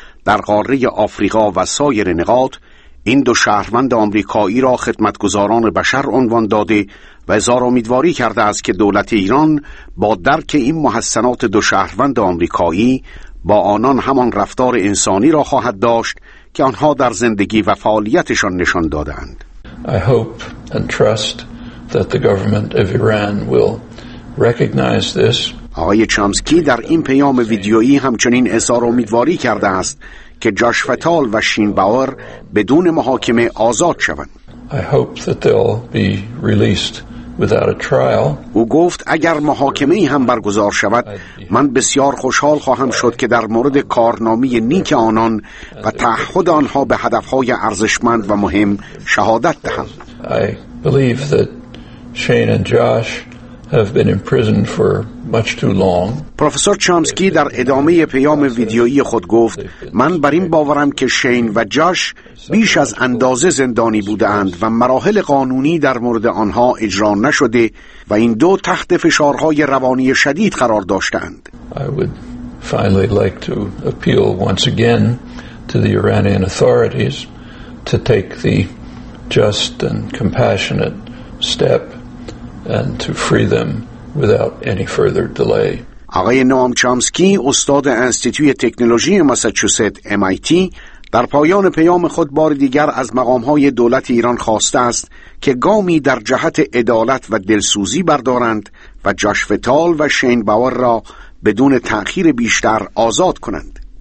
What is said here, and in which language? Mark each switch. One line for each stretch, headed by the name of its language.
Persian: در قاره آفریقا و سایر نقاط، این دو شهروند آمریکایی را خدمتگزاران بشر عنوان داده و زار امیدواری کرده است که دولت ایران با درک این محسنات دو شهروند آمریکایی با آنان همان رفتار انسانی را خواهد داشت که آنها در زندگی و فعالیتشان نشان دادند.
English: I hope and trust that the government of Iran will recognize this.
Persian: آقای چامسکی در این پیام ویدیویی همچنین اظهار امیدواری کرده است که جاش فتال و شین باور بدون محاکمه آزاد شوند.
English: I hope that they'll be released without a trial.
Persian: او گفت اگر محاکمه ای هم برگزار شود، من بسیار خوشحال خواهم شد که در مورد کارنامه نیک آنان و تعهد آنها به هدفهای ارزشمند و مهم شهادت دهم.
English: I believe that Shane and Josh have been imprisoned for much too long.
Persian: پروفسور چامسکی در ادامه پیام ویدیویی خود گفت: من بر این باورم که شین و جاش بیش از اندازه زندانی بودند و مراحل قانونی در مورد آنها اجرا نشده و این دو تحت فشارهای روانی شدید قرار داشتند.
English: I would finally like to appeal once again to the Iranian authorities to take the just and compassionate step and to free them without any further delay.
Persian: آقای نوام چامسکی، استاد انستیتوی تکنولوژی ماساچوست MIT، در پایان پیام خود بار دیگر از مقام‌های دولت ایران خواسته است که گامی در جهت عدالت و دلسوزی بردارند و جاش فتال و شین باور را بدون تأخیر بیشتر آزاد کنند.